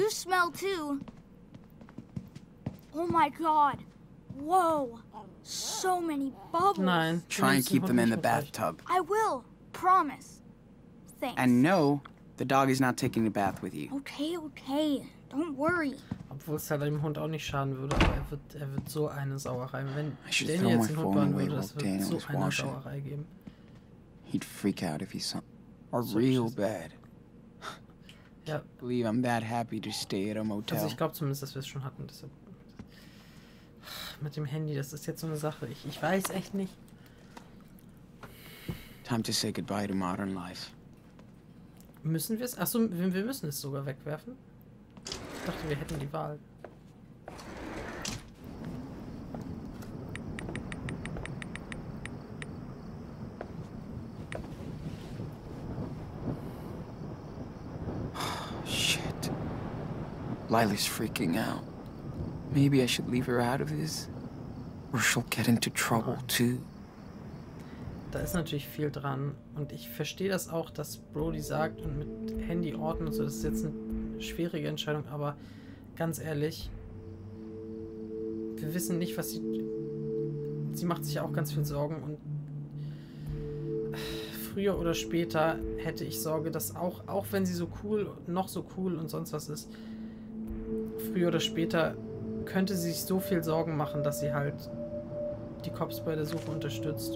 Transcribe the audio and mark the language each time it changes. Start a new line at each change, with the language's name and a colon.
English: You smell too. Oh my god. Whoa. So many bubbles.
German: Nein.
English: Try and keep them in the bathtub. I will. Promise. Thanks. And no. The dog is not taking a bath with you. Okay, okay. Don't worry.
German: Obwohl es halt dem Hund auch nicht schaden würde, aber er wird so eine Sauerei. Wenn Daniel jetzt den Hund bauen würde, das wird Daniel so eine washing. Sauerei geben.
English: He'd freak out if he saw a real bed.
German: Ja.
English: Believe I'm that happy to stay at a motel.
German: Also ich glaube zumindest, dass wir es schon hatten. Deshalb. Mit dem Handy, das ist jetzt so eine Sache. Ich weiß echt nicht.
English: Time to say goodbye to modern life.
German: Müssen wir es? Achso, wir müssen es sogar wegwerfen. Ich dachte, wir hätten die Wahl.
English: Lily's freaking out. Maybe I should leave her out of this, or she'll get into trouble too.
German: Da ist natürlich viel dran und ich verstehe das auch, dass Brody sagt und mit Handy ordnen und so, das ist jetzt eine schwierige Entscheidung, aber ganz ehrlich, wir wissen nicht, was sie macht sich auch ganz viel Sorgen und früher oder später hätte ich Sorge, dass auch wenn sie so cool, noch so cool und sonst was ist, früher oder später könnte sie sich so viel Sorgen machen, dass sie halt die Cops bei der Suche unterstützt.